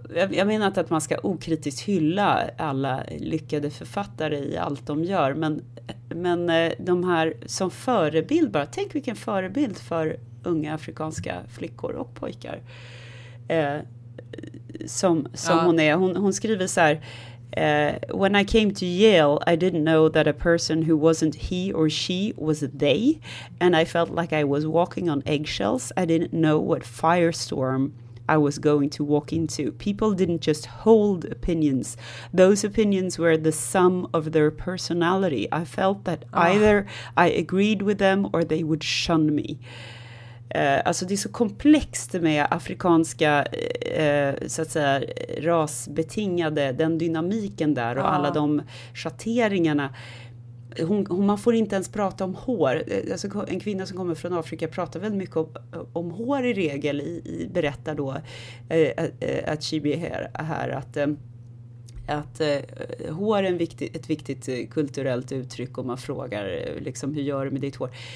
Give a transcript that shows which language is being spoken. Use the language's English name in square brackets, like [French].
[Swedish] Jag menar att man ska okritiskt hylla alla lyckade författare i allt de gör, men Men de här som förebild, bara tänk vilken förebild för unga afrikanska flickor och pojkar som ja. Hon är. Hon skriver så här: [English] when I came to Yale, I didn't know that a person who wasn't he or she was they, and I felt like I was walking on eggshells. I didn't know what firestorm I was going to walk into. People didn't just hold opinions. Those opinions were the sum of their personality. I felt that either I agreed with them or they would shun me. [Swedish] Alltså det är så komplext med afrikanska så att säga, rasbetingade, den dynamiken där och alla de schatteringarna. Man får inte ens prata om hår. Alltså en kvinna som kommer från Afrika pratar väldigt mycket om hår i regel, berättar då att Chibi är här att hår är ett viktigt kulturellt uttryck, om man frågar liksom, hur gör du med ditt hår?